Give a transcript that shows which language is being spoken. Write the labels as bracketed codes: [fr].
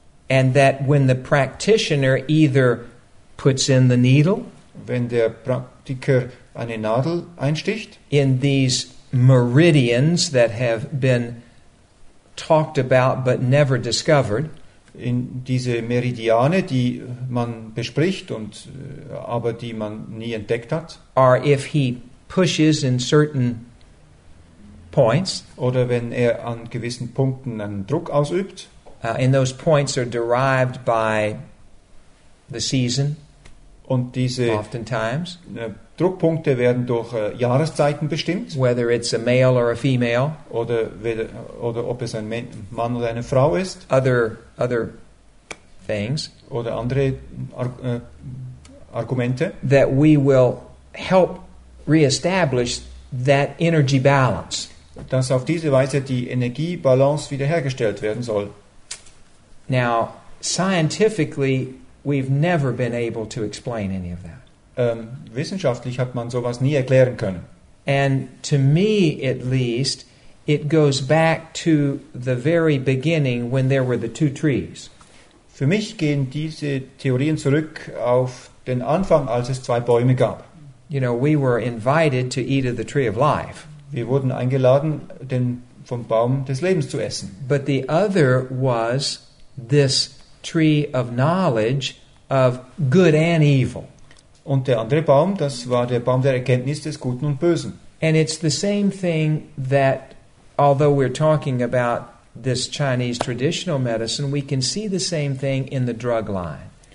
[en] And that when the practitioner either puts in the needle, [de] wenn der Praktiker eine Nadel einsticht, [en] in these meridians that have been talked about but never discovered, [de] in diese Meridiane, die man bespricht und aber die man nie entdeckt hat. [en] Or if he pushes in certain points, [de] oder wenn er an gewissen Punkten einen Druck ausübt. [en] And those points are derived by the season. [de] Und diese [en] oftentimes, [de] Druckpunkte werden durch Jahreszeiten bestimmt. [en] Whether it's a male or a female. [de] Oder ob es ein Mann oder eine Frau ist. [en] Other things. [de] Oder andere Argumente. [en] That we will help reestablish that energy balance. [de] Dass auf diese Weise die Energiebalance wiederhergestellt werden soll. [en] Now, scientifically, we've never been able to explain any of that. [de] Wissenschaftlich hat man sowas nie erklären können. [en] And to me at least, it goes back to the very beginning when there were the two trees. [de] Für mich gehen diese Theorien zurück auf den Anfang, als es zwei Bäume gab. [en] You know, we were invited to eat of the tree of life. [de] Wir wurden eingeladen, vom Baum des Lebens zu essen. [en] But the other was this tree of knowledge of good and evil. [de] Und der andere Baum, das war der Baum der Erkenntnis des Guten und Bösen. [en] And it's the same thing that, although we're talking about this Chinese traditional medicine, we can see the same thing in the drug line.